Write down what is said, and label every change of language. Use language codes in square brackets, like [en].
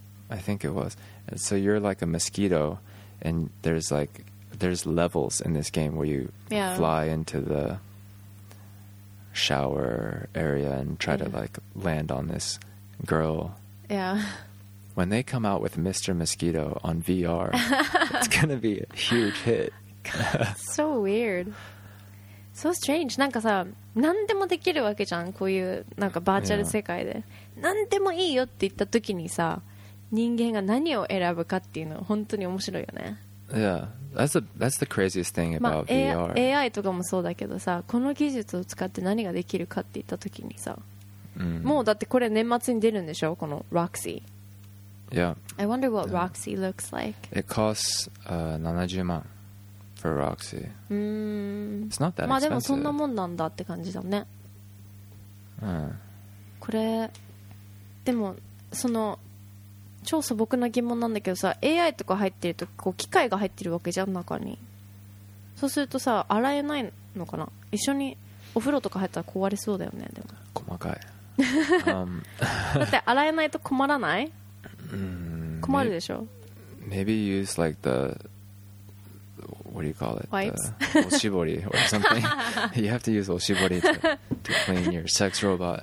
[en] I think it was. And so you're, like, a mosquito, And there's like, there's levels in this game where you fly into the shower area and try to like land on this girl. Yeah. When they come out with Mr. Mosquito on VR, it's going to be a huge hit. So weird. So strange. [ja] なんかさ、何でもできるわけじゃん。こういうなんかバーチャル世界で。何でもいいよって言った時にさ、人間が何を選ぶかっていうの本当に面白いよね。 [en] Yeah, that's the craziest thing about VR. [ja] AI とかもそうだけどさ、この技術を使って何ができるかって言った時にさ、もうだってこれ年末に出るんでしょ、この Roxy。 [en] Yeah. I wonder what Roxy looks like. It costs 70万 for Roxy. It's not that expensive. [ja] まあでもそんなもんなんだって感じだね。これでもその超素朴な疑問なんだけどさ、 AI とか入ってるとこう機械が入ってるわけじゃん中に。そうするとさ洗えないのかな、一緒にお風呂とか入ったら壊れそうだよね。でも細かいだって洗えないと困らない。困るでしょ。 [en] Maybe use like the what do you call it, wipes, oshibori or something. You have to use oshibori to clean your sex robot.